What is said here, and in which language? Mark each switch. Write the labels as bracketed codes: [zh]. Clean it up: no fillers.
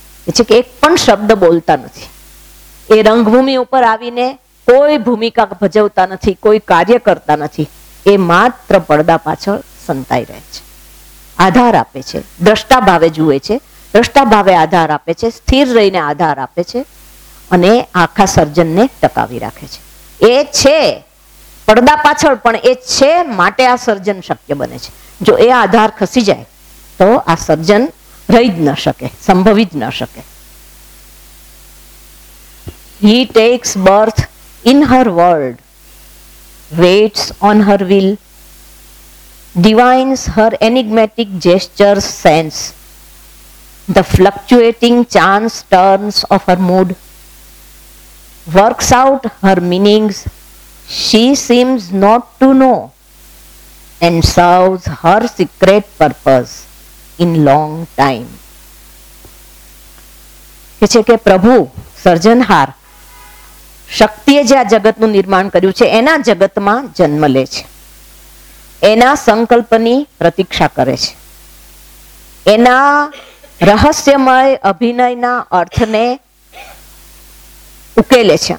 [gu] છે કે એક પણ શબ્દ બોલતા નથી, એ રંગભૂમિ ઉપર આવીને કોઈ ભૂમિકા ભજવતા નથી, કોઈ કાર્ય કરતા નથી, એ માત્ર પડદા પાછળ સંતાઈ રહે છે, આધાર આપે છે, દ્રષ્ટા ભાવે જુએ છે, દ્રષ્ટા ભાવે આધાર આપે છે, સ્થિર રહીને આધાર આપે છે અને આખા સર્જનને ટકાવી રાખે છે. એ છે પડદા પાછળ, પણ એ છે માટે આ સર્જન શક્ય બને છે. જો એ આધાર ખસી જાય તો આ સર્જન રહી જ ન શકે, સંભવી જ ન શકે. [en] He takes birth in her world, waits on her will, divines her enigmatic gestures, sense the fluctuating chance turns of her mood, works out her meanings she seems not to know, and serves her secret purpose in long time. [gu] કહે છે કે પ્રભુ સર્જનહાર શક્તિએ જે આ જગતનું નિર્માણ કર્યું છે એના જગતમાં જન્મ લે છે, એના સંકલ્પની પ્રતીક્ષા કરે છે, એના રહસ્યમય અભિનયના અર્થને ઉકેલે છે.